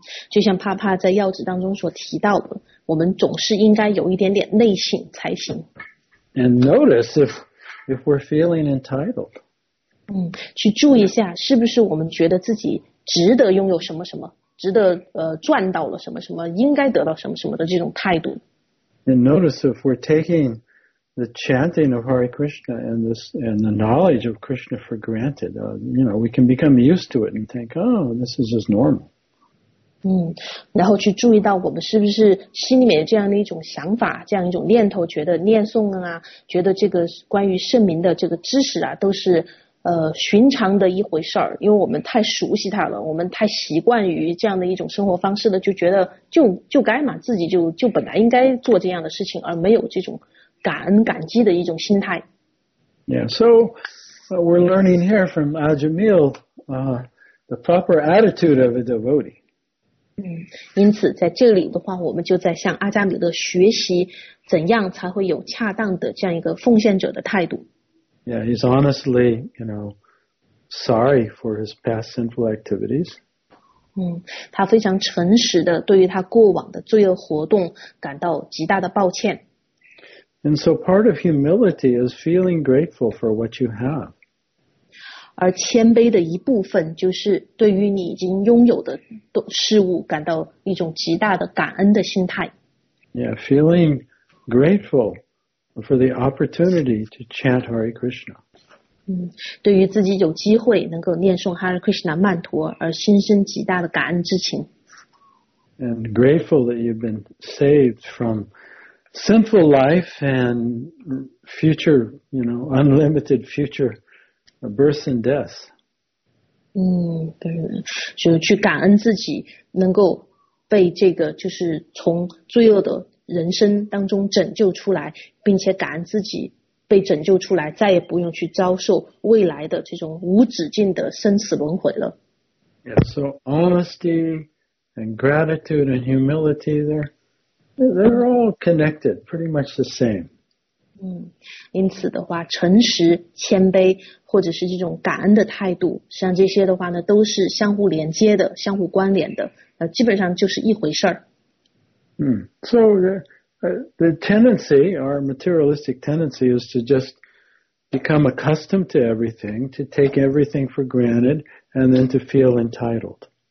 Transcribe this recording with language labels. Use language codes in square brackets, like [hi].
[zh] 就像帕帕在要旨当中所提到的，我们总是应该有一点点内省才行。 [en] And notice if we're feeling entitled. [zh] 去注意一下，是不是我们觉得自己值得拥有什么什么，值得赚到了什么什么，应该得到什么什么的这种态度。 [en] And notice if we're taking the chanting of Hare Krishna and the knowledge of Krishna for granted, we can become used to it and think, oh, this is just normal. [zh] 然后去注意到我们是不是心里面这样的一种想法，这样一种念头，觉得念诵啊，觉得这个关于圣名的这个知识啊，都是寻常的一回事儿，因为我们太熟悉它了，我们太习惯于这样的一种生活方式了，就觉得就该嘛，自己就本来应该做这样的事情，而没有这种感恩感激的一种心态。 [en] Yeah, so we're learning here from Ajamil the proper attitude of a devotee. [zh] 因此在这里的话，我们就在向阿扎米勒学习怎样才会有恰当的这样一个奉献者的态度。 [en] Yeah, he's honestly, you know, sorry for his past sinful activities. [zh] 他非常诚实的对于他过往的罪恶活动感到极大的抱歉。 [en] And so part of humility is feeling grateful for what you have. [zh] 而谦卑的一部分就是对于你已经拥有的事物感到一种极大的感恩的心态。 [en] Yeah, feeling grateful for the opportunity to chant Hare Krishna. [zh] 对于自己有机会能够念诵 Hare Krishna 曼陀而心生极大的感恩之情。 [en] And grateful that you've been saved from sinful life and future, you know, unlimited future births and deaths. [zh] 对，就去感恩自己能够被这个就是从罪恶的人生当中拯救出来，并且感恩自己被拯救出来，再也不用去遭受未来的这种无止境的生死轮回了。 [en] Yeah, so honesty and gratitude and humility there. They're all connected, pretty much the same. [zh] 因此的话，诚实、谦卑，或者是这种感恩的态度，像这些的话呢，都是相互连接的、相互关联的，基本上就是一回事儿。 [en] So the tendency, our materialistic tendency, is to just become accustomed to everything, to take everything for granted, and then to feel entitled.